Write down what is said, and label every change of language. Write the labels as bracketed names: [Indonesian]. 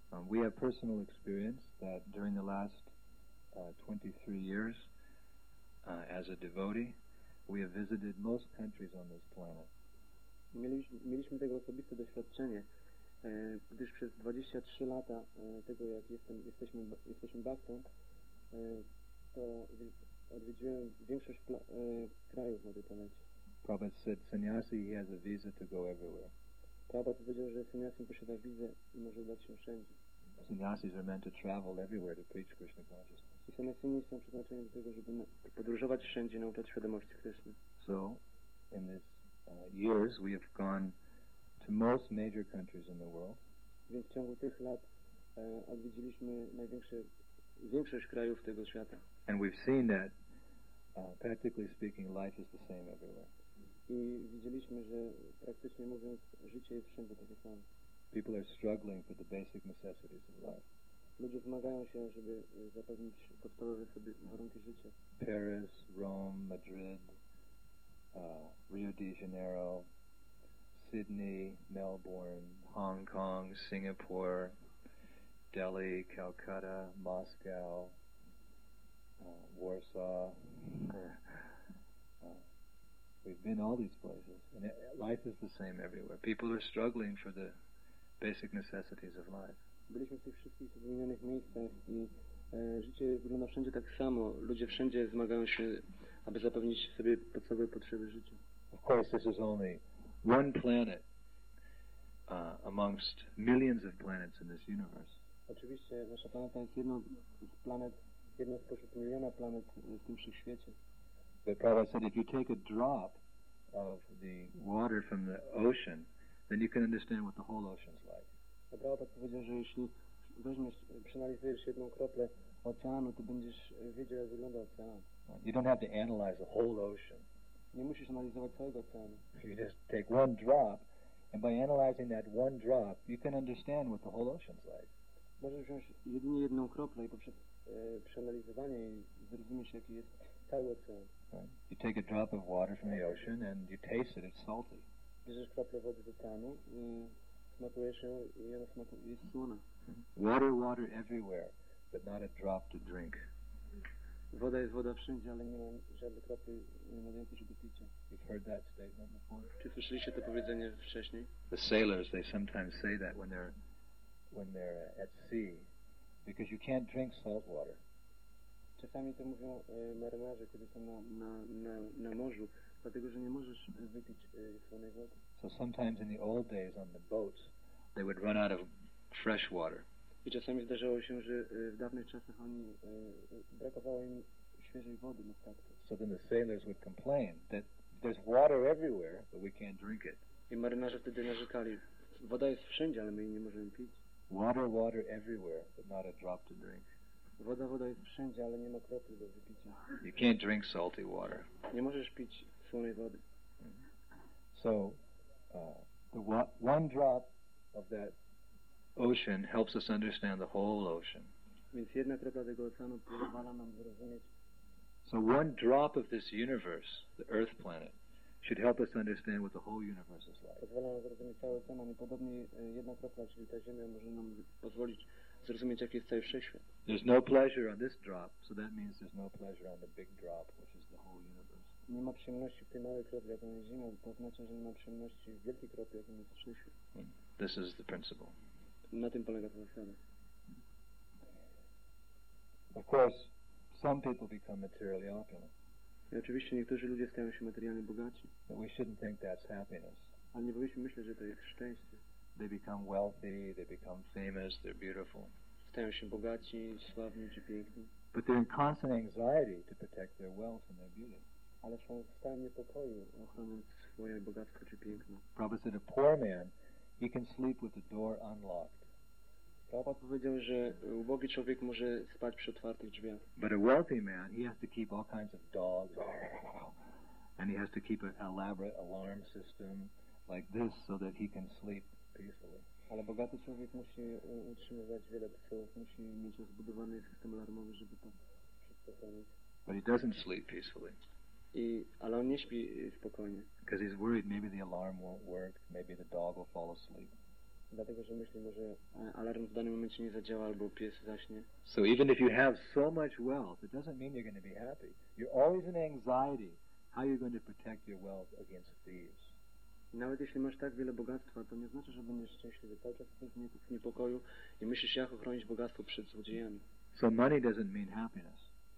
[English] We have personal experience that during the last 23 years as a devotee, we have visited most countries on this planet. [Polish] Mieliśmy tego osobiste doświadczenie, gdyż przez 23 lata tego, jak jesteśmy baktą, to odwiedziłem większość krajów na tej planecie. [English] Prabhupada said sannyasi, he has a visa to go everywhere. [Polish] Prabhupada powiedział, że sannyasi posiada wizę i może udać się wszędzie. [English] Sannyasis are meant to travel everywhere to preach Krishna consciousness. [Polish] Sannyasini są przeznaczeni do tego, żeby podróżować wszędzie, nauczać świadomości Krishna. [English] So, in these years, we have gone to most major countries in the world. [Polish] Więc w ciągu tych lat odwiedziliśmy większość krajów tego świata. [English] And we've seen that, practically speaking, life is the same everywhere. [Polish] I widzieliśmy, że praktycznie mówiąc, życie jest wszędzie takie samo. [English] People are struggling for the basic necessities of life. [Polish] Ludzie zmagają się, żeby zapewnić podstawowe sobie warunki życia. [English] Paris, Rome, Madrid, Rio de Janeiro, Sydney, Melbourne, Hong Kong, Singapore, Delhi, Calcutta, Moscow, Warsaw. We've been all these places, and life is the same everywhere. People are struggling for the basic necessities of life. [Polish] Byliśmy w tych wszystkich wymienionych miejscach i życie wygląda wszędzie tak samo. Ludzie wszędzie zmagają się, aby zapewnić sobie podstawowe potrzeby życia. [English] Of course, this is only one planet amongst millions of planets in this universe. [Polish] Oczywiście nasza planeta jest jedną z planet, jedną spośród miliona planet w tym wszechświecie. [English] But Prabhupada said, if you take a drop of the water from the ocean, then you can understand what the whole ocean's like. [Polish] Prabhupada powiedział, że jeśli weźmiesz, przeanalizujesz jedną kroplę oceanu, to będziesz wiedział, jak wygląda ocean. [English] You don't have to analyze the whole ocean. [Polish] Nie musisz analizować całego oceanu. [English] You just take one drop, and by analyzing that one drop, you can understand what the whole ocean's like. [Polish] Możesz wziąć jedynie jedną kroplę i poprzez przeanalizowanie zrozumiesz, jaki jest cały ocean. [English] Right. You take a drop of water from the ocean and you taste it, it's salty. [Polish] Bierzesz kroplę wody z oceanu i smakujesz ją i ona smakuje, jest słona. [English] Water, water everywhere, but not a drop to drink. [Polish] Woda jest woda wszędzie, ale nie ma żadnej kropli, nie ma więcej, żeby picia. [English] You've heard that statement before? [Polish] Czy słyszeliście to powiedzenie wcześniej? [English] The sailors, they sometimes say that when they're at sea, because you can't drink salt water. [Polish] Czasami to mówią marynarze, kiedy są na morzu, dlatego że nie możesz wypić słonej wody. [English] So sometimes in the old days on the boats they would run out of fresh water. [Polish] I czasami zdarzało się, że w dawnych czasach oni brakowało im świeżej wody na statku. [English] So then the sailors would complain that there's water everywhere, but we can't drink it. [Polish] I marynarze wtedy narzekali, woda jest wszędzie, ale my jej nie możemy pić. [English] Water, water everywhere, but not a drop to drink. [Polish] Woda jest wszędzie, ale nie ma kropli do wypicia. [English] You can't drink salty water. [Polish] Nie możesz pić słonej wody. [English] So, one drop of that ocean helps us understand the whole ocean. [Polish] Więc jedna kropla tego oceanu pozwala nam zrozumieć. [English] So one drop of this universe, the Earth planet, should help us understand what the whole universe is like. [Polish] Pozwala nam zrozumieć cały ocean, i podobnie jedna kropla, czyli ta Ziemia, może nam pozwolić zrozumieć, jaki jest cały wszechświat. [English] There's no pleasure on this drop, so that means there's no pleasure on the big drop, which is the whole universe. [Polish] nie ma przyjemności w tej małej kropli, jaką jest zimą, to oznacza, że nie ma przyjemności w wielkiej kropli, jaką jest Krzysiu. [English] This is the principle. [Polish] Na tym polega ta zasada. [English] Of course, some people become materially opulent. [Polish] I oczywiście niektórzy ludzie stają się materialnie bogaci. [English] But we shouldn't think that's happiness. [Polish] Ale nie powinniśmy myśleć, że to jest szczęście. [English] They become wealthy, they become famous, they're beautiful. [Polish] Stają się bogaci, sławni czy piękni. [English] But they're in constant anxiety to protect their wealth and their beauty. [Polish] Ale są w stanie niepokoju, ochroniąc swoje bogactwo czy piękno. [English] Prabhupada said a poor man, he can sleep with the door unlocked. [Polish] Prabhupada powiedział, że ubogi człowiek może spać przy otwartych drzwiach. [English] But a wealthy man, he has to keep all kinds of dogs, and he has to keep an elaborate alarm system like this so that he can sleep peacefully. [Polish] Ale bogaty człowiek musi utrzymywać wiele psów, musi mieć rozbudowany system alarmowy, żeby to wszystko zrobić. [English] But he doesn't sleep peacefully. [Polish] Ale on nie śpi spokojnie. [English] Because he's worried, maybe the alarm won't work, maybe the dog will fall asleep. [Polish] Dlatego, że myśli, może alarm w danym momencie nie zadziała, albo pies zaśnie. [English] So even if you have so much wealth, it doesn't mean you're going to be happy. You're always in anxiety how you're going to protect your wealth against thieves. [Polish] Nawet jeśli masz tak wiele bogactwa, to nie znaczy, że będziesz szczęśliwy. Cały czas jesteś w niepokoju i myślisz, jak ochronić bogactwo przed złodziejami. [English] So money doesn't mean happiness.